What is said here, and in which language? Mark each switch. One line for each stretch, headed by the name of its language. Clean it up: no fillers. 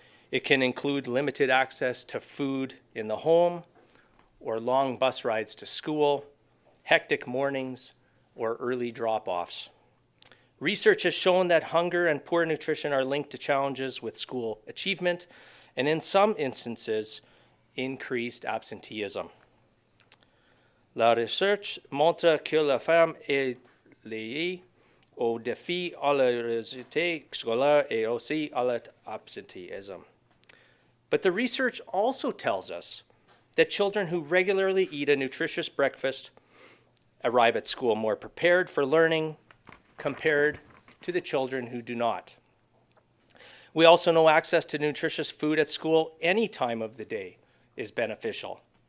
English: It can include limited access to food in the home, or long bus rides to school, hectic mornings, or early drop-offs. Research has shown that hunger and poor nutrition are linked to challenges with school achievement, and in some instances, increased absenteeism.
French: La recherche montre que la femme est liée au défi à la réussite scolaire et aussi à l'absentéisme.
English: But the research also tells us that children who regularly eat a nutritious breakfast arrive at school more prepared for learning compared to the children who do not. We also know access to nutritious food at school any time of the day is beneficial.